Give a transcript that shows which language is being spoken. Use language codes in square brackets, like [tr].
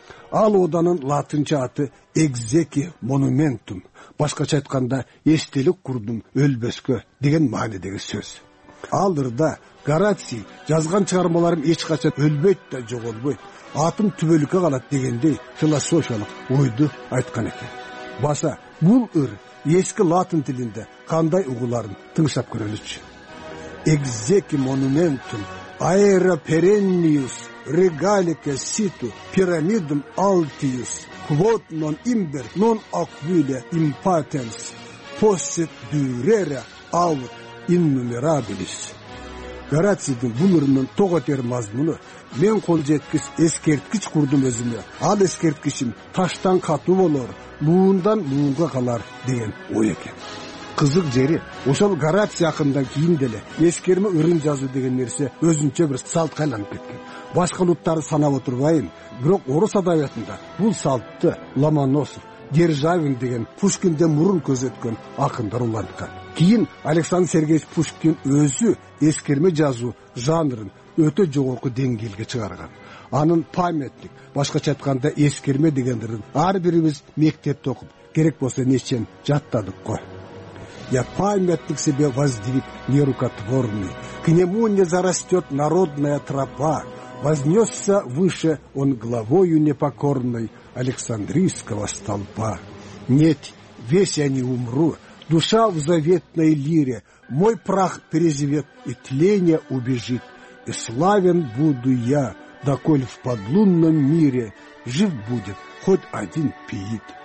[ky] Ал оданын латынча аты экзеки монументум, башкача айтканда эстелик курдум өлбөскө деген маанидеги сөз. Ал ырда Гораций жазган чыгармаларым эч качан өлбөйт да жоголбойт, атым түбөлүккө калат дегендей философиялык ойду айткан экен. Баса бул ыр эски латын тилинде кандай угуларын тыңшап көрөлүчү. [la] Экзеки монументум аэро перенниус регалике ситу пирамидум алтиус квот нон имбер нон аквиле импатенс посит дюрере аут иннумерабилис. [ky] Гораций бул ырынын того тер мазмуну мен кол жеткис эскерткич курдум өзүмө, ал эскерткичим таштан катуу болор, муундан муунга калар деген ой экен. Кызык жери ошол Гораций акындан кийин деле эскерме ырын жазуу деген нерсе өзүнчө бир салтка айланып кеткен. Башка улуттарды санап отурбайын, бирок орус адабиятында бул салтты Ломоносов, Державин деген Пушкинден мурун көзөткөн акындар уланткан. Кийин Александр Сергеевич Пушкин өзү эскерме жазуу жанрын өтө жогорку деңгээлге чыгарган. Анын памятник, башкача айтканда эскерме деген ырын ар бирибиз мектепте окуп, керек болсо нечен жаттадык го. [ru] Я памятник себе воздвиг не рукотворный, к нему не зарастет народная тропа, вознесся выше он главою непокорной Александрийского столпа. Нет, весь я не умру, душа в заветной лире, мой прах переживет и тление убежит, и славен буду я, доколь в подлунном мире жив будет хоть один пиит.